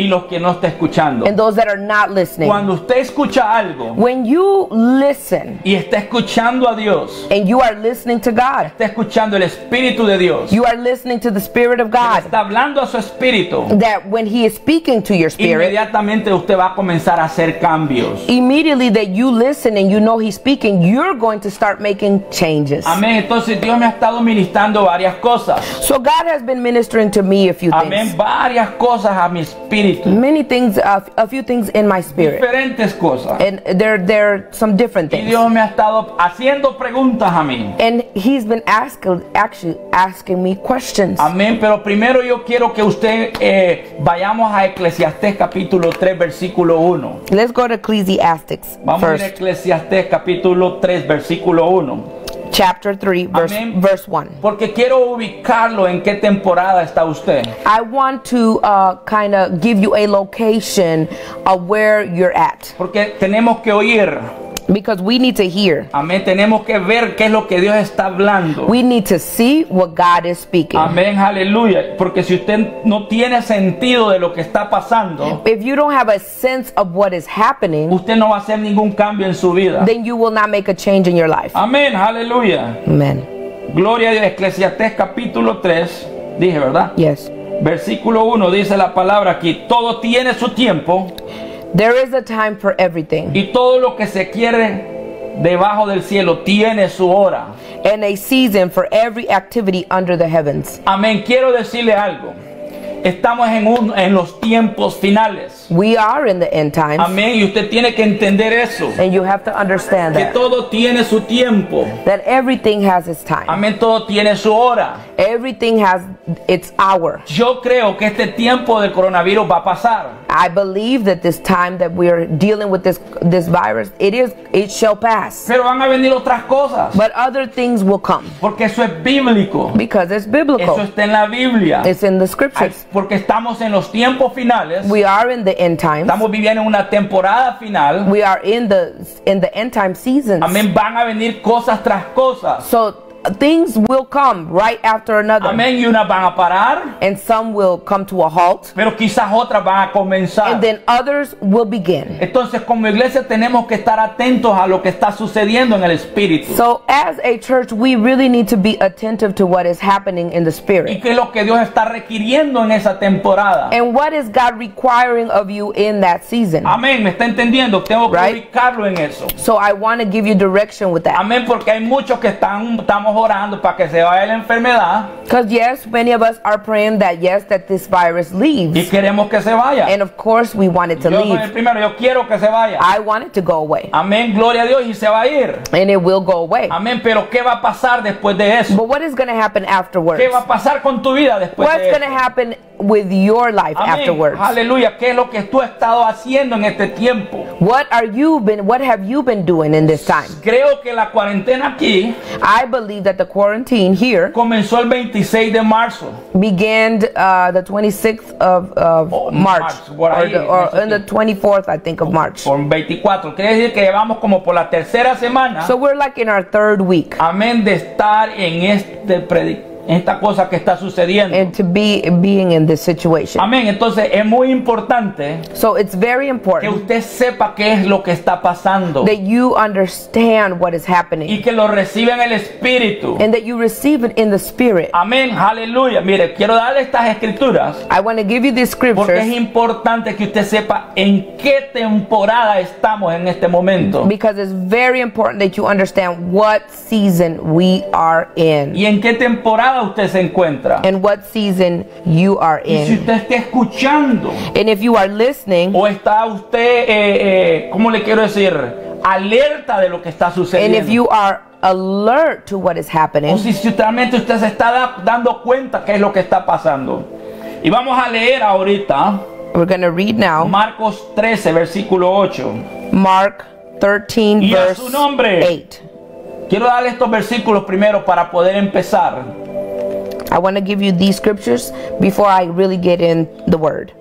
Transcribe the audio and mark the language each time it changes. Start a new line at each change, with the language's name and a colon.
Spanish: y los que no está escuchando.
English: And those that are not listening.
Spanish: Cuando usted escucha algo,
English: when you listen,
Spanish: y está escuchando a Dios,
English: and you are listening to God,
Spanish: está escuchando el Espíritu de Dios,
English: you are listening to the Spirit of God,
Spanish: está hablando a su Espíritu,
English: that when he is speaking to your spirit,
Spanish: inmediatamente usted va a comenzar a hacer cambios.
English: Immediately that you listen and you know he's speaking, you're going to start making changes.
Spanish: Amén. Entonces Dios me ha estado ministrando varias cosas.
English: So God has been ministering to me a few things.
Spanish: Amén. Varias cosas a mi espíritu.
English: Many things, a few things in my spirit.
Spanish: Diferentes cosas.
English: And there are some different things.
Spanish: Y Dios me ha estado haciendo preguntas a mí.
English: And he's been asking me questions.
Spanish: Amén. Pero primero yo quiero que usted vayamos a Eclesiastés capítulo 3 versículo 1.
English: Let's go to Ecclesiastes first.
Spanish: Vamos a ir a Eclesiastés capítulo 3 versículo 1.
English: Chapter 3, verse 1.
Spanish: Porque quiero ubicarlo en qué temporada está usted.
English: I want to kind of give you a location of where you're at.
Spanish: Porque tenemos que oír.
English: Because we need to hear.
Spanish: Amén. Tenemos que ver qué es lo que Dios está hablando.
English: We need to see what God is speaking.
Spanish: Amén. Aleluya. Porque si usted no tiene sentido de lo que está pasando,
English: if you don't have a sense of what is happening,
Spanish: usted no va a hacer ningún cambio en su vida.
English: Then you will not make a change in your life.
Spanish: Amén. Aleluya.
English: Amen.
Spanish: Gloria a Dios. Eclesiastés capítulo 3. Dije, ¿verdad?
English: Yes.
Spanish: Versículo 1 dice la palabra aquí. Todo tiene su tiempo.
English: There is a time for everything.
Spanish: Y todo lo que se quiere debajo del cielo tiene su hora.
English: And a season for every activity under the heavens.
Spanish: Amén. Quiero decirle algo. Estamos en los tiempos finales.
English: We are in the end times.
Spanish: Amén. Y usted tiene que entender eso.
English: And you have to understand
Spanish: que
English: that.
Spanish: Que todo tiene su tiempo.
English: That everything has its time.
Spanish: Amén. Todo tiene su hora.
English: Everything has its hour.
Spanish: Yo creo que este tiempo del coronavirus va a pasar.
English: I believe that this time that we are dealing with this virus, it shall pass.
Spanish: Pero van a venir otras cosas.
English: But other things will come.
Spanish: Porque eso es bíblico.
English: Because it's biblical.
Spanish: Eso está en la Biblia.
English: It's in the scriptures.
Spanish: Porque estamos en los tiempos finales.
English: We are in the end times.
Spanish: Estamos viviendo una temporada final.
English: We are in the end time seasons.
Spanish: Amén. Van a venir cosas tras cosas.
English: So things will come right after another.
Spanish: Amén. Y unas van a parar.
English: And some will come to a halt.
Spanish: Pero quizás otras van a comenzar.
English: And then others will begin.
Spanish: Entonces, como iglesia, tenemos que estar atentos a lo que está sucediendo en el espíritu.
English: So as a church, we really need to be attentive to what is happening in the spirit.
Spanish: Y qué es lo que Dios está requiriendo en esa temporada.
English: And what is God requiring of you in that season.
Spanish: Amén. Me está entendiendo. Tengo que right? ubicarlo en eso.
English: So I want to give you direction with that.
Spanish: Amén. Porque hay muchos que están estamos orando para que se vaya la enfermedad.
English: Because yes, many of us are praying that yes, that this virus leaves.
Spanish: Y queremos que se vaya.
English: And of course, we want it to leave.
Spanish: Yo soy el primero. Yo quiero que se vaya.
English: I want it to go away.
Spanish: Amén. Gloria a Dios. Y se va a ir.
English: And it will go away.
Spanish: Amén. Pero ¿qué va a pasar después de eso?
English: But what is going to happen afterwards?
Spanish: ¿Qué va a pasar con tu vida después
English: What's
Spanish: de eso?
English: What's going to happen with your life
Spanish: Amén.
English: Afterwards?
Spanish: Aleluya. ¿Qué es lo que tú has estado haciendo en este tiempo?
English: What have you been doing in this time?
Spanish: Creo que la cuarentena aquí.
English: I believe that the quarantine here
Spanish: comenzó el 26 de marzo.
English: Began the 26th of March. The 24th, I think, of March.
Spanish: Por 24. Quiere decir que llevamos como por la tercera semana.
English: So we're like in our third week.
Spanish: Amén de estar en este esta cosa que está sucediendo.
English: And to be being in this situation.
Spanish: Amén. Entonces es muy importante.
English: So it's very important.
Spanish: Que usted sepa qué es lo que está pasando.
English: That you understand what is happening.
Spanish: Y que lo reciba en el espíritu.
English: And that you receive it in the spirit.
Spanish: Amén. Aleluya. Mire, quiero darle estas escrituras.
English: I want to give you these scriptures.
Spanish: Porque es importante que usted sepa en qué temporada estamos en este momento.
English: Because it's very important that you understand what season we are in.
Spanish: Y en qué temporada usted se encuentra.
English: And what season you are in.
Spanish: Y si usted está escuchando.
English: And if you are listening.
Spanish: O está usted, ¿cómo le quiero decir? Alerta de lo que está sucediendo.
English: And if you are alert to what is happening.
Spanish: O si realmente usted se está dando cuenta qué es lo que está pasando. Y vamos a leer ahorita.
English: We're going to read now.
Spanish: Marcos 13, versículo 8.
English: Mark 13,
Spanish: y
English: verse
Spanish: a su nombre.
English: 8.
Spanish: Quiero darle estos versículos primero para poder empezar.
English: I want to give you these scriptures before I really get in the word.